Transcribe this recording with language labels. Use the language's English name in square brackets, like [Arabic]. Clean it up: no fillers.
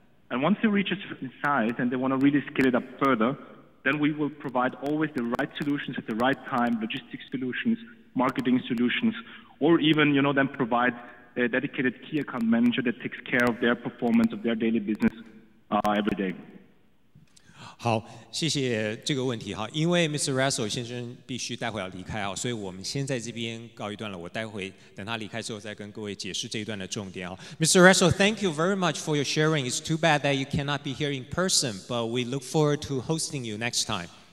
[English] And once they reach a certain size and they want to really scale it up further, then we will provide always the right solutions at the right time, logistics solutions, marketing solutions, or even, you know, then provide a dedicated key account manager that takes care of their performance of their daily business every day. [Chinese] 好，谢谢这个问题哈。因为 Mr. Ressel 先生必须待会要离开啊，所以我们先在这边告一段了。我待会等他离开之后再跟各位解释这一段的重点啊。 [English] Mr. Ressel, thank you very much for your sharing. It's too bad that you cannot be here in person, but we look forward to hosting you next time.